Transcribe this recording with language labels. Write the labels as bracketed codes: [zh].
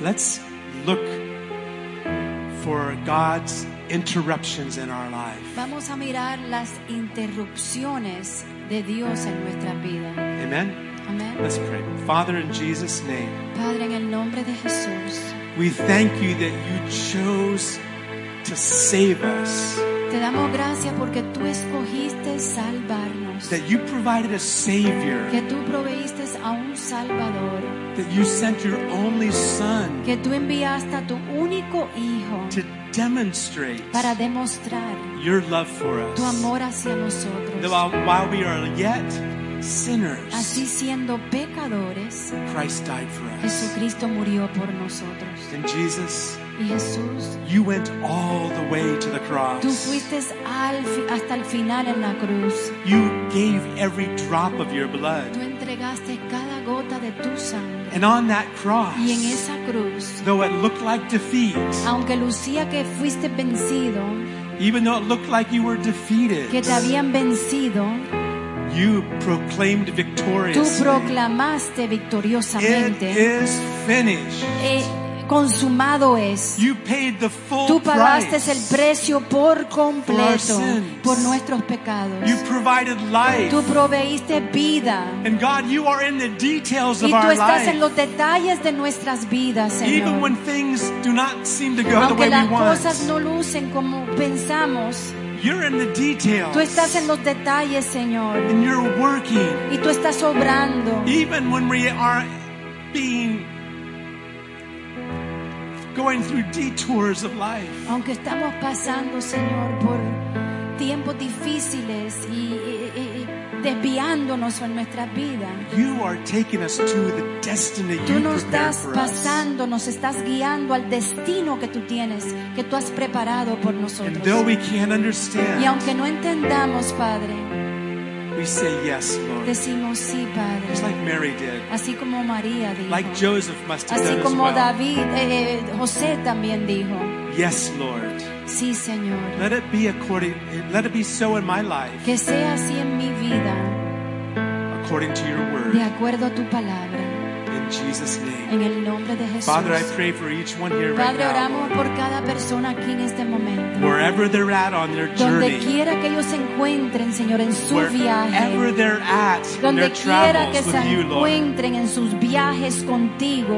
[en] Let's look for God's interruptions in our life. [es] Vamos a mirar las interrupciones de Dios en nuestra vida. [en] Amen. [es] Amen. [en] Let's pray. Father, in Jesus' name. [es] Padre, en el nombre de Jesús. [en] We thank you that you chose to save us. [es] Te damos gracias porque tú escogiste salvarnos. [en] That you provided a savior. [es] Que tú proveíste a un salvador. [en] That you sent your only son. [es] Que tú enviaste a tu único hijo. [en] To demonstrate. [es] Para demostrar. [en] Your love for us. [es] Tu amor hacia nosotros. [en] That while we are yet sinners. [es] Así siendo pecadores. [en] Christ died for us. [es] Jesucristo murió por nosotros. [en] And Jesus. [es] Y Jesús. [en] You went all the way to the cross. [es] Tú fuiste hasta el final en la cruz. [en] You gave every drop of your blood. [es] Tú entregaste entregaste cada gota de tu sangre. [en] And on that cross, [es] y en esa cruz, [en] though it looked like defeat, [es] aunque lucía que fuiste vencido, [en] even though it looked like you were defeated, [es] que te habían vencido, [en] you proclaimed victoriously. [es] Tú proclamaste victoriosamente. [en] It is finished. [es] Consumado es. [en] You paid the full [es] Tú pagaste [en] price [es] el precio por completo por nuestros pecados. [en] You provided life. [es] Tú proveíste vida. [en] And God, you are in the details of our [es] life. Y tú estás [en] life [es] en los detalles de nuestras vidas, Señor. [en] Even when things do not seem to go [es] aunque [en] the way we want, [es] aunque las cosas no lucen como pensamos, [en] you're in the details. [es] Tú estás en los detalles, Señor. [en] And you're working. [es] Y tú estás obrando. [en] Even when we are being going through detours of life. [es] Aunque estamos pasando, Señor, por tiempos difíciles y desviándonos en nuestra vida. [en] You are taking us to the destiny [es] tú nos estás pasando, nos estás guiando al destino que tú tienes, que tú has preparado por nosotros. [en] And though we can't understand, [es] y aunque no entendamos, Padre, [en] we say yes, Lord. [es] Decimos sí, Padre. [en] Just like Mary did. [es] Así como María dijo. [en] Like Joseph must have [es] así [en] done [es] como [en] as well. [es] David, José también dijo. [en] Yes, Lord. [es] Sí, Señor. [en] Let it be according. Let it be so in my life. [es] Que sea así en mi vida. [en] According to your word. [es] De acuerdo a tu palabra. [en] In Jesus' name. [es] En el nombre de Jesús. [en] Father, I pray for each one here [es] Padre, [en] right now. [es] Padre, oramos por cada persona aquí en este momento. [en] Wherever they're at on their journey. [es] Donde quiera que ellos se encuentren, Señor, en su [en] wherever [es] viaje. [en] Wherever they're at in their travels with you, Lord. [es] Donde quiera que se encuentren en sus viajes contigo.